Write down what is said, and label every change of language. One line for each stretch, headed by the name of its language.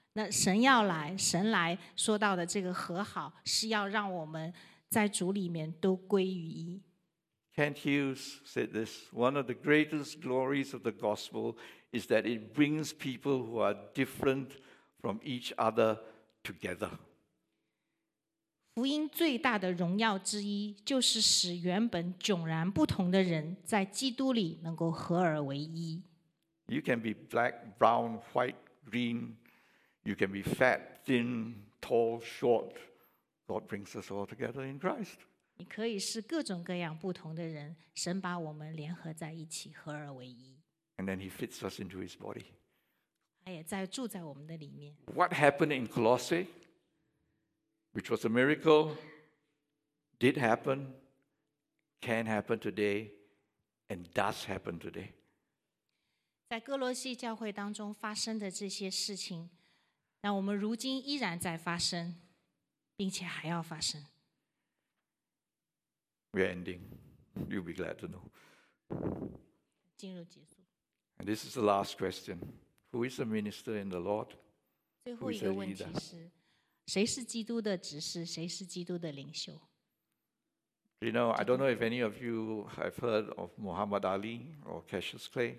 Chinese: 那神要来，神来说到的这个和好是要让我们在主里面都归于一。
English: Kent Hughes said this, one of the greatest glories of the gospel is that it brings people who are different from each other together.
Chinese: 福音最大的荣耀之一就是使原本迥然不同的人在基督里能够合而为一。
English: You can be black, brown, white, green. You can be fat, thin, tall, short. God brings us all together in Christ.
Chinese: 你可以是各种各样不同的人，神把我们联合在一起，合而为一。
English: And then He fits us into His body.
Chinese: 他也在住在我们的里面。
English: What happened in Colossae, which was a miracle, did happen, can happen today, and does happen today.
Chinese: 在哥罗西教会当中发生的这些事情，那我们如今依然在发生，并且还要发生。
English: We're ending. You'll be glad to know.
Chinese: 进入结束。
English: And this is the last question. Who is a minister in the Lord?
Chinese: 最后一个问题是，谁是基督的执事？谁是基督的领袖？
English: You know, I don't know if any of you have heard of Muhammad Ali or Cassius Clay.